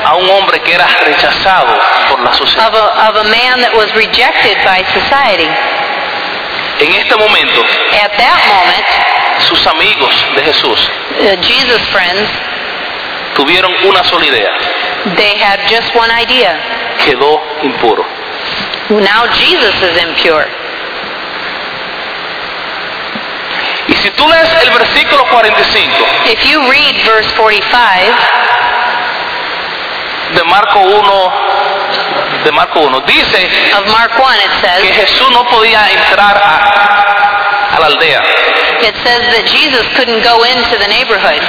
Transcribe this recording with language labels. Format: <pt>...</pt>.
<es>a un hombre que era rechazado por la sociedad,</es> <en>of a man that was rejected by society.</en> <es>En este momento,</es> <en>at that moment,</en> <es>sus amigos de Jesús,</es> <en>Jesus' friends,</en> <es>tuvieron una sola idea.</es> <en>They had just one idea.</en> <es>Quedó impuro.</es> <en>Now Jesus is impure.</en> <es>Y si tú lees el versículo 45,</es> <en>if you read verse 45,</en> <es>de Marco 1, dice</es> <en>of Mark 1, it says,</en> <es>que Jesús no podía entrar a la aldea.</es> <en>It says that Jesus couldn't go into the neighborhood.</en>